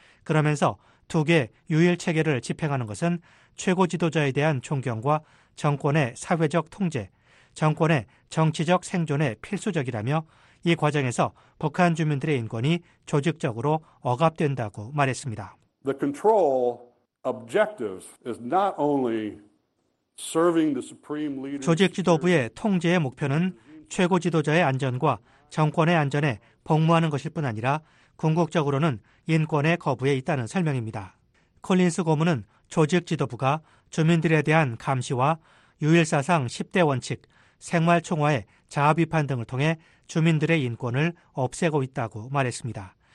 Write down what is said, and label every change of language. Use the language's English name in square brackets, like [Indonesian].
[Korean] 그러면서 두 개 유일체계를 집행하는 것은 최고 지도자에 대한 존경과 정권의 사회적 통제, 정권의 정치적 생존에 필수적이라며 이 과정에서 북한 주민들의 인권이 조직적으로 억압된다고 말했습니다. [English] The control objectives is not only serving the supreme leader. [Korean] 조직 지도부의 통제의 목표는 최고 지도자의 안전과 정권의 안전에 복무하는 것일 뿐 아니라 궁극적으로는 인권의 거부에 있다는 설명입니다. 콜린스 고문은 조직 지도부가 주민들에 대한 감시와 유일사상 10대 원칙, 생활 총화의 자아 비판 등을 통해 주민들의 인권을 없애고 있다고 말했습니다.